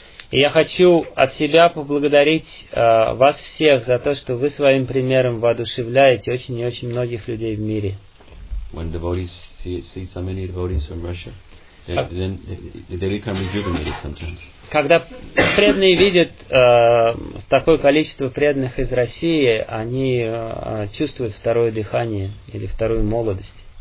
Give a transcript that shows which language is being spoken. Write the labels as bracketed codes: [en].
[ru] И я хочу от себя поблагодарить вас всех за то, что вы своим примером воодушевляете очень и очень многих людей в мире. [en] When devotees see so many devotees from Russia, then they become rejuvenated sometimes. [ru] Когда преданные видят такое количество преданных из России, они чувствуют второе дыхание или вторую молодость.